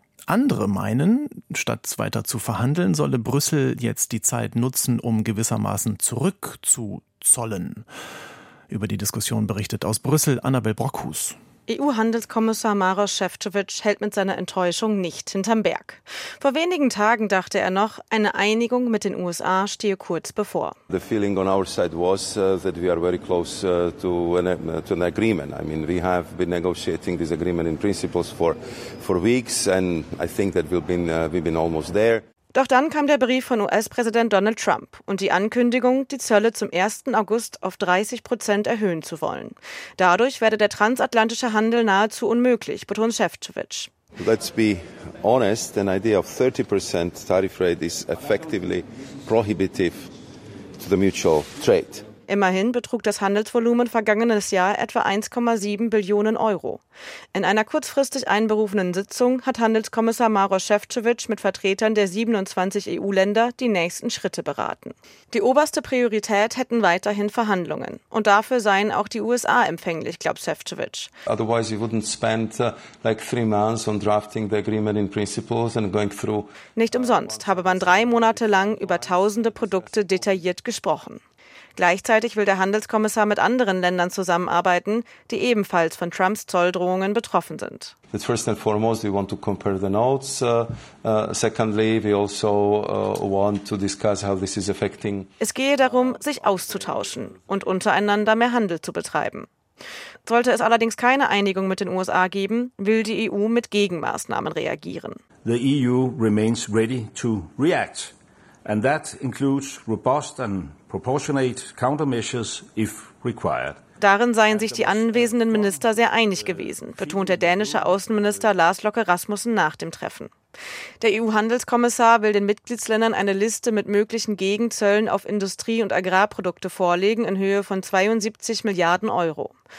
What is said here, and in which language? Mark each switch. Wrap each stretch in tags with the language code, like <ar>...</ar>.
<de>Andere meinen, statt weiter zu verhandeln, solle Brüssel jetzt die Zeit nutzen, um gewissermaßen zurückzuzollen. Über die Diskussion berichtet aus Brüssel Annabel Brockhus. EU-Handelskommissar Maros Šefčovič hält mit seiner Enttäuschung nicht hinterm Berg. Vor wenigen Tagen dachte er noch, eine Einigung mit den USA stehe kurz bevor.</de> <en>The feeling on our side was that we are very close to an agreement. I mean, we have been negotiating this agreement in principles for weeks and I think that we've been almost there.</en> <de>Doch dann kam der Brief von US-Präsident Donald Trump und die Ankündigung, die Zölle zum 1. August auf 30% erhöhen zu wollen. Dadurch werde der transatlantische Handel nahezu unmöglich, betont Šefčovič.</de> <en>Let's be honest, an idea of 30% tariff rate is effectively prohibitive to the mutual trade.</en> <de>Immerhin betrug das Handelsvolumen vergangenes Jahr etwa 1,7 Billionen Euro. In einer kurzfristig einberufenen Sitzung hat Handelskommissar Maros Šefčovič mit Vertretern der 27 EU-Länder die nächsten Schritte beraten. Die oberste Priorität hätten weiterhin Verhandlungen. Und dafür seien auch die USA empfänglich, glaubt Šefčovič.</de> <en>Otherwise you wouldn't spend like 3 months on drafting the agreement in principles and going through.</en> <de>Nicht umsonst habe man 3 Monate lang über tausende Produkte detailliert gesprochen. Gleichzeitig will der Handelskommissar mit anderen Ländern zusammenarbeiten, die ebenfalls von Trumps Zolldrohungen betroffen sind.</de> <en>First and foremost, we want to compare the notes. Secondly, we also want to discuss how this is affecting.</en> <de>Es gehe darum, sich auszutauschen und untereinander mehr Handel zu betreiben. Sollte es allerdings keine Einigung mit den USA geben, will die EU mit Gegenmaßnahmen reagieren.</de> <en>The EU remains ready to react. And that includes robust and proportionate countermeasures if required.</en> <de>Darin seien sich die anwesenden Minister sehr einig gewesen, betont der dänische Außenminister Lars Løkke Rasmussen nach dem Treffen. Der EU-Handelskommissar will den Mitgliedsländern eine Liste mit möglichen Gegenzöllen auf Industrie- und Agrarprodukte vorlegen in Höhe von 72 Milliarden Euro.</de>